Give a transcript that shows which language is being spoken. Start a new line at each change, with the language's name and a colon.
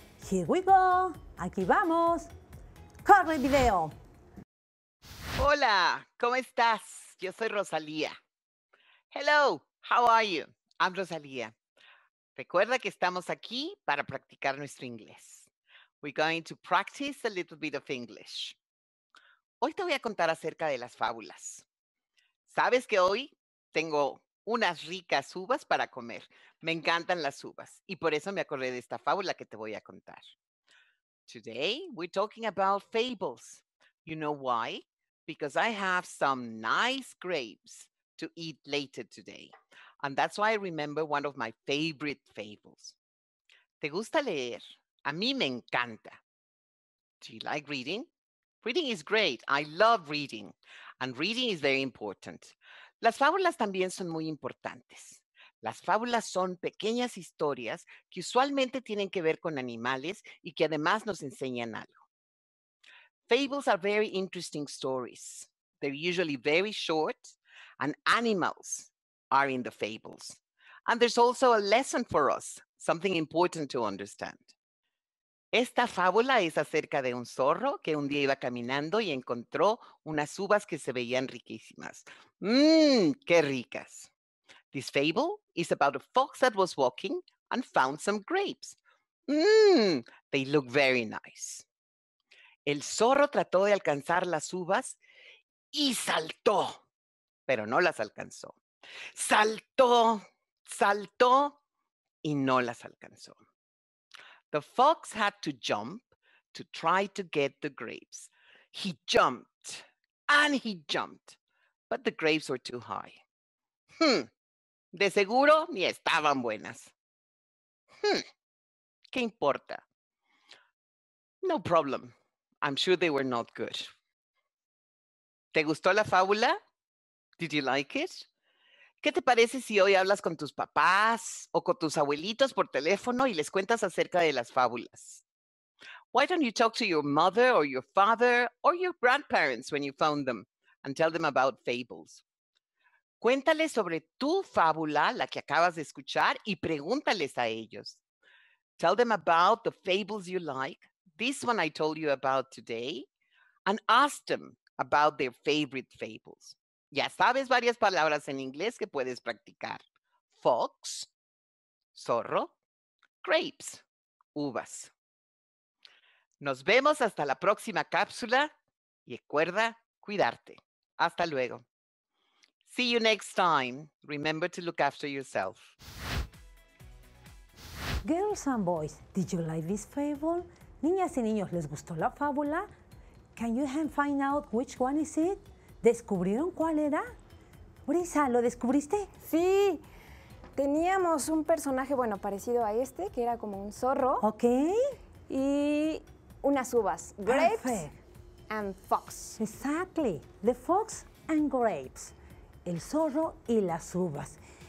English: Here we go,
Spanish: aquí vamos. ¡Corre video! Hola, ¿cómo estás? Yo soy Rosalía.
English: Hello, how are you? I'm Rosalía.
Spanish: Recuerda que estamos aquí para practicar nuestro inglés.
English: We're going to practice a little bit of English.
Spanish: Hoy te voy a contar acerca de las fábulas. ¿Sabes que hoy tengo unas ricas uvas para comer? Me encantan las uvas y por eso me acordé de esta fábula que te voy a contar.
English: Today, we're talking about fables. You know why? Because I have some nice grapes to eat later today. And that's why I remember one of my favorite fables.
Spanish: ¿Te gusta leer? A mí me encanta.
English: Do you like reading? Reading is great. I love reading. And reading is very important.
Spanish: Las fábulas también son muy importantes. Las fábulas son pequeñas historias que usualmente tienen que ver con animales y que además nos enseñan algo.
English: Fables are very interesting stories. They're usually very short, and animals are in the fables. And there's also a lesson for us, something important to understand.
Spanish: Esta fábula es acerca de un zorro que un día iba caminando y encontró unas uvas que se veían riquísimas. ¡Mmm, qué ricas!
English: This fable is about a fox that was walking and found some grapes. ¡Mmm, they look very nice!
Spanish: El zorro trató de alcanzar las uvas y saltó, pero no las alcanzó. Saltó, saltó y no las alcanzó.
English: The fox had to jump to try to get the grapes. He jumped and he jumped, but the grapes were too high.
Spanish: De seguro ni estaban buenas. ¿Qué importa?
English: No problem. I'm sure they were not good.
Spanish: ¿Te gustó la fábula?
English: Did you like it?
Spanish: ¿Qué te parece si hoy hablas con tus papás o con tus abuelitos por teléfono y les cuentas acerca de las fábulas?
English: Why don't you talk to your mother or your father or your grandparents when you found them and tell them about fables?
Spanish: Cuéntales sobre tu fábula, la que acabas de escuchar, y pregúntales a ellos.
English: Tell them about the fables you like, this one I told you about today, and ask them about their favorite fables.
Spanish: Ya sabes varias palabras en inglés que puedes practicar. Fox, zorro, grapes, uvas. Nos vemos hasta la próxima cápsula y recuerda cuidarte. Hasta luego.
English: See you next time. Remember to look after yourself. Girls and boys, did you like this fable?
Spanish: Niñas y niños, ¿les gustó la fábula?
English: Can you find out which one is it?
Spanish: ¿Descubrieron cuál era? Brisa, ¿lo descubriste? Sí, teníamos un personaje, bueno, parecido a este, que era como un zorro.
English: Ok.
Spanish: Y unas uvas,
English: grapes. Perfect. And fox. Exactly, the fox and grapes,
Spanish: el zorro y las uvas.